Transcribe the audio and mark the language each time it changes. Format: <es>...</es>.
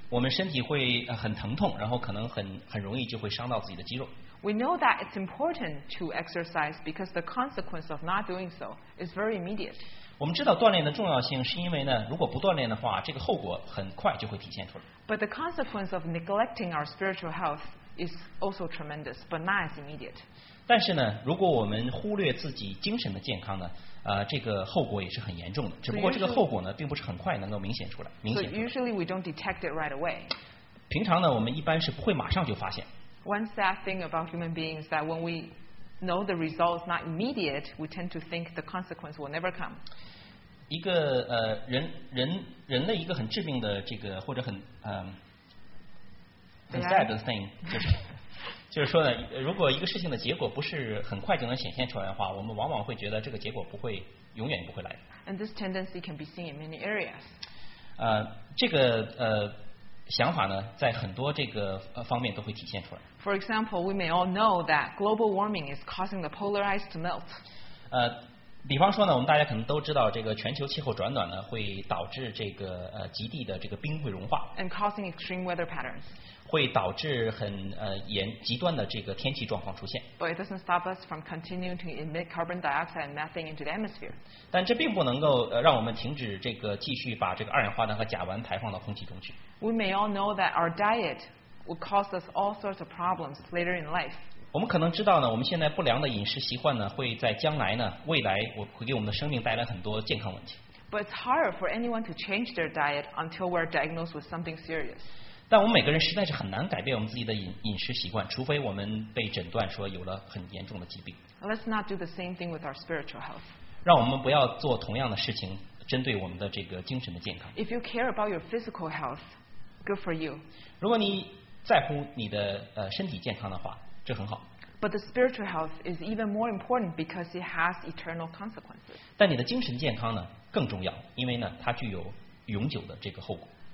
<zh>我们身体会很疼痛，然后可能很容易就会伤到自己的肌肉。</zh> <en>We know that it's important to exercise because the consequence of not doing so is very immediate.</en> <zh>我们知道锻炼的重要性，是因为呢，如果不锻炼的话，这个后果很快就会体现出来。</zh> <en>But the consequence of neglecting our spiritual health is also tremendous, but not as immediate.</en> <zh>但是呢，如果我们忽略自己精神的健康呢，这个后果也是很严重的。只不过这个后果呢，并不是很快能够明显出来。明显出来。</zh> <en>So usually we don't detect it right away.</en> <zh>平常呢，我们一般是不会马上就发现。</zh> <en>One sad thing about human beings is that when we know the result is not immediate, we tend to think the consequence will never come.</en> <zh>一个人类一个很致命的这个或者很</zh> <en>sad thing</en> <zh>就是说呢，如果一个事情的结果不是很快就能显现出来的话，我们往往会觉得这个结果不会永远不会来。</zh> <en>And this tendency can be seen in many areas.</en> <zh>这个想法呢，在很多这个方面都会体现出来。</zh> <en>For example, we may all know that global warming is causing the polar ice to melt.</en> <zh>比方说呢，我们大家可能都知道，这个全球气候转暖呢，会导致这个极地的这个冰会融化。</zh> <en>And causing extreme weather patterns.</en> <zh>会导致很极端的这个天气状况出现。</zh> <en>But it doesn't stop us from continuing to emit carbon dioxide and methane into the atmosphere.</en> <zh>但这并不能够让我们停止这个继续把这个二氧化碳和甲烷排放到空气中去。</zh> <en>We may all know that our diet will cause us all sorts of problems later in life.</en> <zh>我们可能知道呢，我们现在不良的饮食习惯呢，会在将来呢，未来会给我们的生命带来很多健康问题。</zh> <en>But it's hard for anyone to change their diet until we're diagnosed with something serious.</en> <zh>但我们每个人实在是很难改变我们自己的饮食习惯，除非我们被诊断说有了很严重的疾病。</zh> <en>Let's not do the same thing with our spiritual health.</en> <zh>让我们不要做同样的事情，针对我们的这个精神的健康。</zh> <en>If you care about your physical health. Good for you.</en> <zh>如果你在乎你的身体健康的话，这很好。</zh> <en>But the spiritual health is even more important because it has eternal consequences.</en> <zh>但你的精神健康呢更重要，因为呢它具有永久的这个后果。</zh>